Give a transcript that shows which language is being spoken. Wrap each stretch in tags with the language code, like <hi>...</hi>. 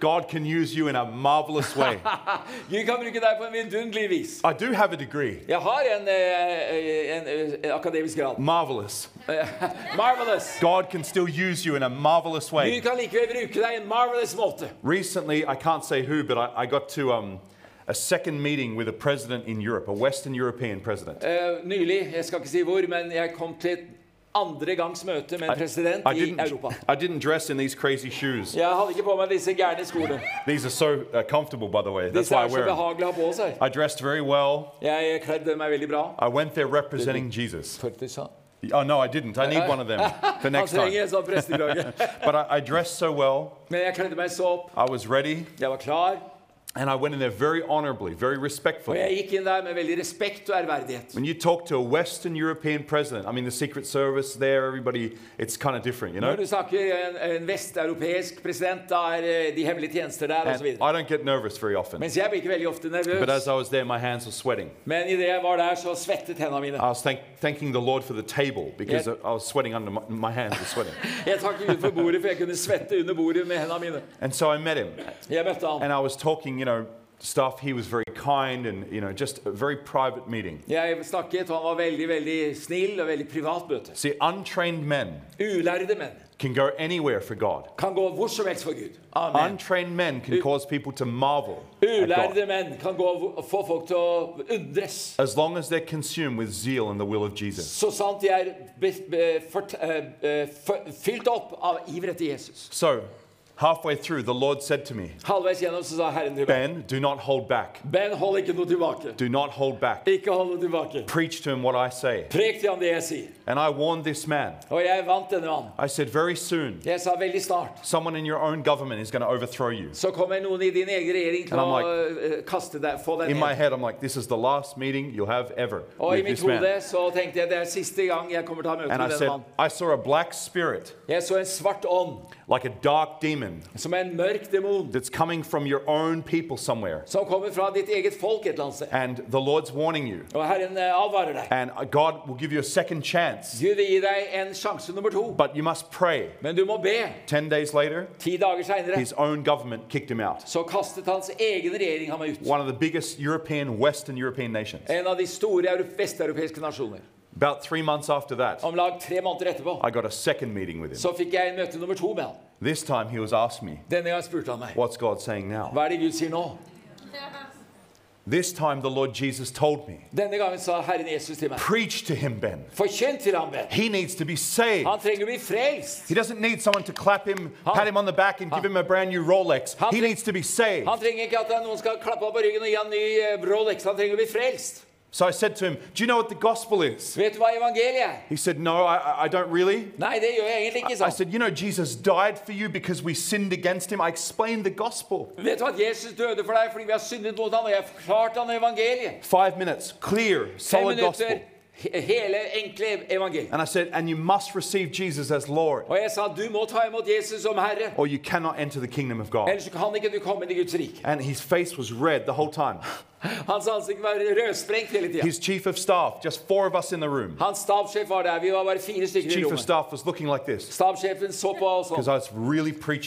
<en>God can use you in a marvelous way.</en> <no>Gud kan bruke deg på en vidunderlig vis.</no> <en>I do have a degree.</en> <no>Jeg har en akademisk grad.</no> <en>Marvelous. Marvelous. God can still use you in a marvelous way.</en> <no>Gud kan likevel bruke deg I en marvelous måte.</no> <en>Recently, I can't say who, but I got to a second meeting with a president in Europe, a Western European president.</en> <no>Nylig, jeg skal ikke si hvor, men jeg kom til andre gangs møte med en president I Europa.</no> <en>I didn't dress in these crazy shoes.</en> <no>Jeg hadde ikke på meg disse gærne skoene.</no> <en>These are so comfortable, by the way. That's why I wear them. I dressed very well.</en> <no>Jeg kledde meg veldig bra.</no> <en>I went there representing Jesus.</en> <no>Faktisk sant.</no> <en>Oh, no, I didn't. I need one of them for next time. But I dressed so well.</en> <no>Men jeg kledde meg så opp.</no> <en>I was ready.</en> <no>Jeg var klar.</no> <en>And I went in there very honorably, very respectfully.</en> <no>Og jeg gikk inn der med veldig respekt og ærverdighet.</no> <en>When you talk to a Western European president, I mean the Secret Service there, everybody, it's kind of different, you know.</en> <no>Når du snakker en vesteuropeisk president, da de hemmelige tjenester der og så videre.</no> <en>I don't get nervous very often.</en> <no>Mens jeg blir ikke veldig ofte nervøs.</no> <en>But as I was there, my hands were sweating.</en> <no>Men I det jeg var der, så svettet hendene mine.</no> <en>I was thanking the Lord for the table because I was sweating under my hands were sweating.</en> <no>Jeg takket Gud for bordet for jeg kunne svette under bordet med hendene mine.</no> <en>And so I met him.</en> <no>Jeg møtte ham.</no> <en>And I was talking, you know, stuff. He was very kind and, you know, just a very private meeting.</en> <no>Ja, jeg snakket, han var veldig, veldig snill og veldig privat møte.</no> <en>See, untrained men.</en> <no>Ulærde menn.</no> <en>Can go anywhere for God.</en> <no>Kan gå hvor som helst for Gud.</no> <en>Amen. Untrained men can cause people to marvel.</en> <no>Ulærde menn kan gå få folk til å undres.</no> <en>As long as they're consumed with zeal and the will of Jesus.</en> <no>Så sant de fylt opp av iver etter Jesus.</no> <en>So, halfway through, the Lord said to me, Ben, do not hold back.</en> <no>Ben, hold ikke noe tilbake.</no> <en>Do not hold back.</en> <no>Ikke hold noe tilbake.</no> <en>Preach to him what I say.</en> <no>Prek til ham det jeg sier.</no> <en>And I warned this man.</en> <no>Og jeg vant denne mannen.</no> <en>I said, very soon,</en> <no>jeg sa, veldig snart,</no> <en>someone in your own government is going to overthrow you.</en> <no>Så kommer noen I din egen regjering til å kaste deg, få deg ned.</no> <en>In my head, I'm like, this is the last meeting you'll have ever</en> <no>og</no> <en>with this man.</en> <no>Og I mitt hode, så tenkte jeg, det siste gang jeg kommer til å møte denne mannen.</no> <en>And I said, I saw a black spirit.</en> <no>Jeg så en svart ånd.</no> <en>Like a dark demon.</en> <no>Som en mørk demon.</no> <en>That's coming from your own people somewhere.</en> <no>Som kommer fra ditt eget folk et eller annet sted.</no> <en>And the Lord's warning you.</en> <no>Og Herren advarer deg.</no> <en>And God will give you a second chance.</en> <no>Gud gir deg en sjanse nummer to.</no> <en>But you must pray.</en> <no>Men du må be.</no> <en>10 days later,</en> <no>10 dager senere,</no> <en>his own government kicked him out.</en> <no>Så kastet hans egen regjering ham ut.</no> <en>One of the biggest European, Western European nations.</en> <no>En av de store vesteuropeiske nasjoner.</no> <en>About 3 months after that,</en> <no>om lag 3 måneder etterpå,</no> <en>I got a second meeting with him.</en> <no>Så fikk jeg en møte nummer to med ham.</no> <en>This time he was asked me,</en> <no>denne gang spurte han meg,</no> <en>what's God saying now?</en> <no>Hva det Gud sier nå?</no> <en>This time the Lord Jesus told me.</en> <no>Denne gangen sa Herren Jesus til meg.</no> <en>Preach to him, Ben.</en> <no>Forkynn til ham, Ben.</no> <en>He needs to be saved.</en> <no>Han trenger å bli frelst.</no> <en>He doesn't need someone to clap him, pat him on the back and give him a brand new Rolex. He needs to be saved.</en> <no>Han trenger ikke at noen skal klappe ham på ryggen og gi ham ny Rolex. Han trenger å bli frelst.</no> <en>So I said to him, do you know what the gospel is?</en> <no>Vet du hva evangeliet er?</no> <en>He said, no, I don't really.</en> <no>Nei, det gjør jeg egentlig ikke sånn.</no> <en>I said, you know, Jesus died for you because we sinned against him. I explained the gospel.</en> <no>Vet du hva? Jesus døde for deg fordi vi har syndet mot ham, og jeg forklarte ham evangeliet.</no> <en>5 minutes, clear, solid gospel.</en> <no>Hele enkle evangeliet.</no> <en>And I said, and you must receive Jesus as Lord.</en> <no>Og jeg sa, du må ta imot Jesus som Herre.</no> <en>Or you cannot enter the kingdom of God.</en> <no>Ellers kan ikke du komme inn I Guds rike.</no> <en>And his face was red the whole time.</en> <no>Hans ansikt var rødsprengt hele tiden.</no> <en>His chief of staff, just 4 of us in the room.</en> <no>Hans stabschef var der, vi var bare 4 stykker I</no> <en>chief of staff was looking like this.</en> <no>Stabschefen så på oss.</no> <en>Because I was really preaching.</en>